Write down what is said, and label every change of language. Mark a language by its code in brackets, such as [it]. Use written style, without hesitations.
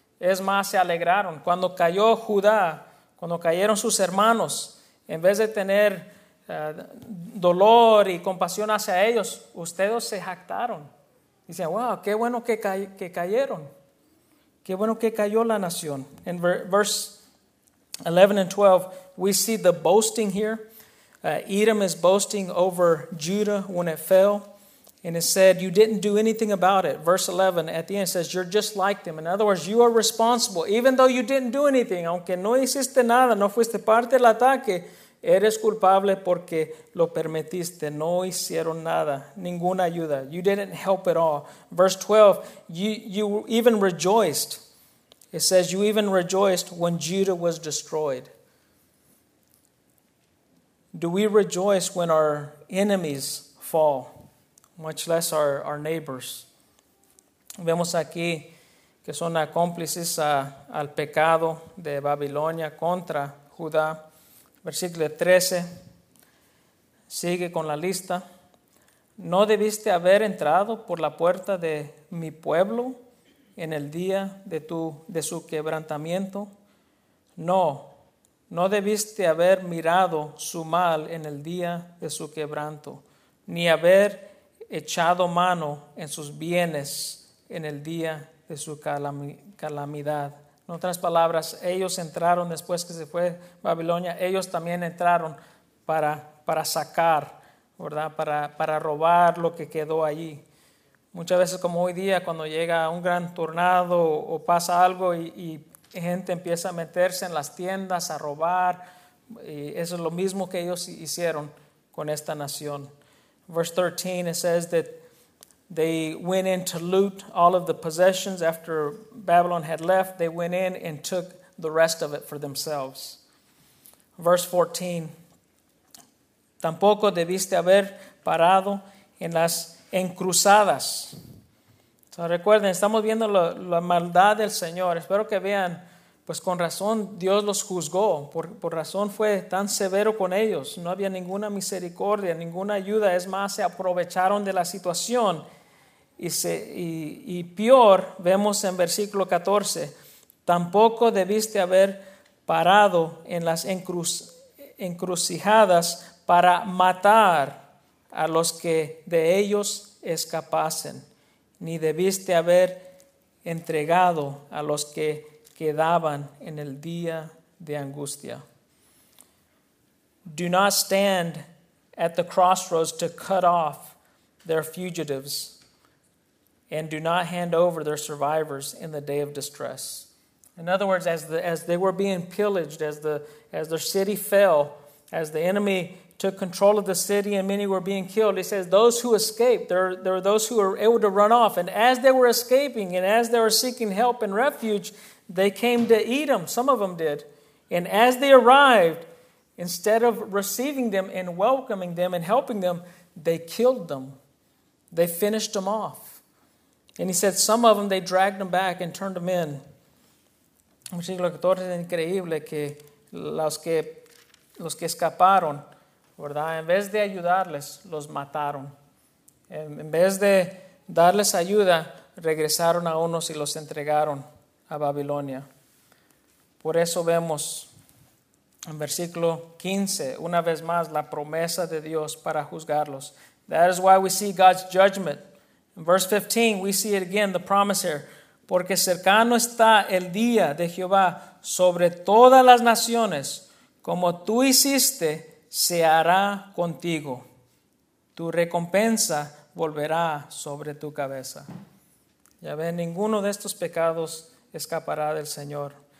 [es] Es más, se alegraron. Cuando cayó Judá, cuando cayeron sus hermanos, en vez de tener dolor y compasión hacia ellos, ustedes se jactaron. Dicen, wow, qué bueno que cayeron. Qué bueno que cayó la nación. [en] In verse 11 and 12, we see the boasting here. Edom is boasting over Judah when it fell. And it said, you didn't do anything about it. Verse 11, at the end, it says, you're just like them. In other words, you are responsible. Even though you didn't do anything, [es] aunque no hiciste nada, no fuiste parte del ataque, eres culpable porque lo permitiste. No hicieron nada. Ninguna ayuda. [en] You didn't help at all. Verse 12. You even rejoiced. It says you even rejoiced when Judah was destroyed. Do we rejoice when our enemies fall? Much less our neighbors. [es] Vemos aquí que son cómplices al pecado de Babilonia contra Judá. Versículo 13, sigue con la lista. ¿No debiste haber entrado por la puerta de mi pueblo en el día de su quebrantamiento? No, no debiste haber mirado su mal en el día de su quebranto, ni haber echado mano en sus bienes en el día de su calamidad. En otras palabras, ellos entraron después que se fue Babilonia. Ellos también entraron para sacar, ¿verdad? Para robar lo que quedó allí. Muchas veces, como hoy día, cuando llega un gran tornado o pasa algo y gente empieza a meterse en las tiendas a robar, y eso es lo mismo que ellos hicieron con esta nación. [en] Verse 13, it says that they went in to loot all of the possessions after Babylon had left. They went in and took the rest of it for themselves. Verse 14, [es] tampoco debiste haber parado en las encruzadas. So recuerden, estamos viendo la maldad del Señor. Espero que vean, pues con razón Dios los juzgó. Por razón fue tan severo con ellos. No había ninguna misericordia, ninguna ayuda. Es más, se aprovecharon de la situación. Y peor, vemos en versículo 14, tampoco debiste haber parado en las encrucijadas para matar a los que de ellos escapasen, ni debiste haber entregado a los que quedaban en el día de angustia. [en] Do not stand at the crossroads to cut off their fugitives, and do not hand over their survivors in the day of distress. In other words, as they were being pillaged, as their city fell, as the enemy took control of the city and many were being killed, he says those who escaped, there are those who were able to run off. And as they were escaping and as they were seeking help and refuge, they came to Edom, some of them did. And as they arrived, instead of receiving them and welcoming them and helping them, they killed them. They finished them off. And he said some of them, they dragged them back and turned them in. [es] Versículo 14, es increíble que los que escaparon, ¿verdad? En vez de ayudarles, los mataron. En vez de darles ayuda, regresaron a unos y los entregaron a Babilonia. Por eso vemos en versículo 15, una vez más, la promesa de Dios para juzgarlos. [en] That is why we see God's judgment. In verse 15, we see it again, the promise here. [es] Porque cercano está el día de Jehová sobre todas las naciones, como tú hiciste, se hará contigo. Tu recompensa volverá sobre tu cabeza. Ya ven, ninguno de estos pecados escapará del Señor.